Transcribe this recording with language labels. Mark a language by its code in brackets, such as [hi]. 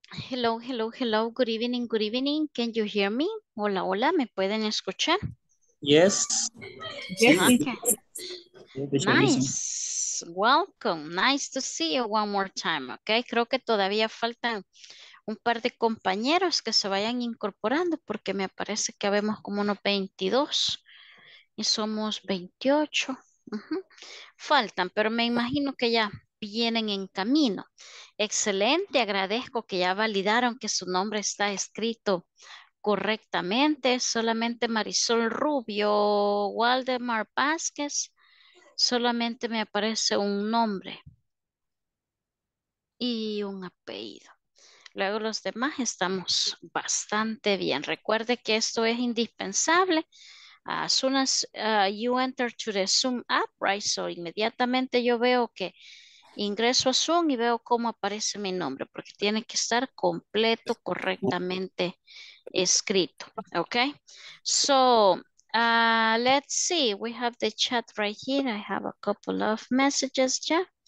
[en] Hello, hello, hello, good evening, can you hear me? [es] Hola, hola, ¿me pueden escuchar? [en] Yes. [es] Sí. [en] Yes. Okay. Listen. Nice, welcome, nice to see you one more time, okay? [es] Creo que todavía faltan un par de compañeros que se vayan incorporando porque me parece que habemos como unos 22 y somos 28. Faltan, pero me imagino que ya vienen en camino. Excelente, agradezco que ya validaron que su nombre está escrito correctamente. Solamente Marisol Rubio, Waldemar Vázquez, solamente me aparece un nombre y un apellido. Luego los demás estamos bastante bien. Recuerde que esto es indispensable. [en] As soon as you enter to the Zoom app, right? [es] So inmediatamente yo veo que ingreso a Zoom y veo cómo aparece mi nombre, porque tiene que estar completo, correctamente escrito. [en] Okay. So, let's see. We have the chat right here. I have a couple of messages. Yeah.